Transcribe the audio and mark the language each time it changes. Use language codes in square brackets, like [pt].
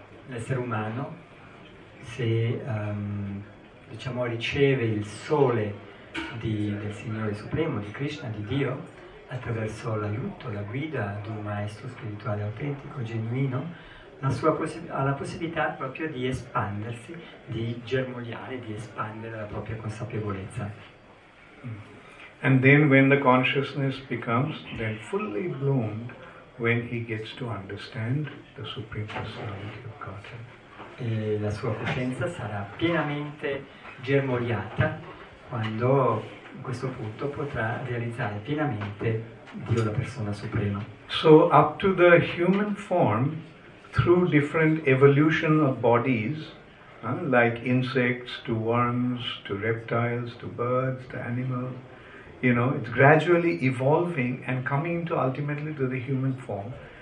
[it] L'essere umano, se diciamo riceve il sole del Signore Supremo, di Krishna, di Dio, attraverso l'aiuto, la guida di un maestro spirituale autentico, genuino, ha la possibilità proprio di espandersi, di germogliare, di espandere la propria consapevolezza. [en] And then when the consciousness becomes then fully bloomed, when he gets to understand the Supreme Personality of Godhead. [it] E la sua coscienza sarà pienamente germogliata quando in questo punto potrà realizzare pienamente Dio, la persona suprema. [en] So up to the human form, through different evolution of bodies, like insects to worms to reptiles to birds to animals, you know, it's gradually evolving and coming to ultimately to the human form.